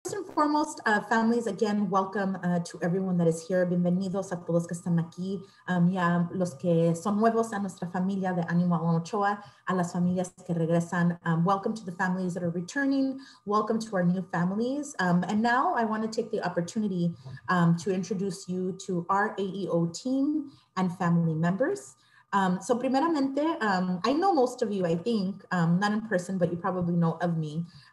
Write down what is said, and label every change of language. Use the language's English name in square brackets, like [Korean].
[English] First and foremost, families, again, welcome to everyone that is here. [Spanish] Bienvenidos a todos que están aquí. Ya los que son nuevos a nuestra familia de Ánimo Ellen Ochoa, a las familias que regresan. [English] Welcome to the families that are returning. Welcome to our new families. And now I want to take the opportunity to introduce you to our AEO team and family members. So primeramente, I know most of you, I think, not in person, but you probably know of me.